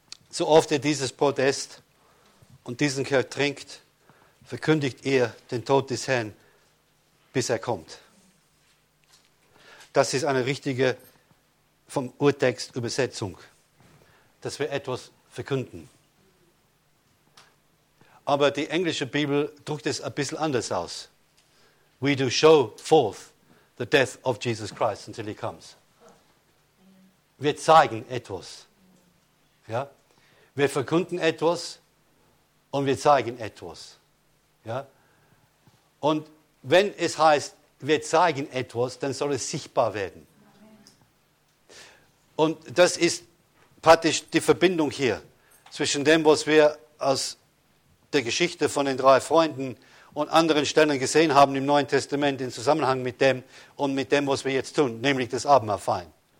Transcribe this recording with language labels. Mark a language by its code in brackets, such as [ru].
[de] So oft ihr dieses Brot esst und diesen Kelch trinkt, verkündigt ihr den Tod des Herrn, bis er kommt. Das ist eine richtige vom Urtext Übersetzung, dass wir etwas verkünden. Aber die englische Bibel drückt es ein bisschen anders aus. [en] We do show forth the death of Jesus Christ until he comes. [de] Wir zeigen etwas. Ja? Wir verkünden etwas und wir zeigen etwas. Ja? Und wenn es heißt, wir zeigen etwas, dann soll es sichtbar werden. Und das ist praktisch die Verbindung hier zwischen dem, was wir aus der Geschichte von den drei Freunden und anderen Stellen gesehen haben im Neuen Testament in Zusammenhang mit dem und mit dem, was wir jetzt tun, nämlich das Abendmahlfeiern.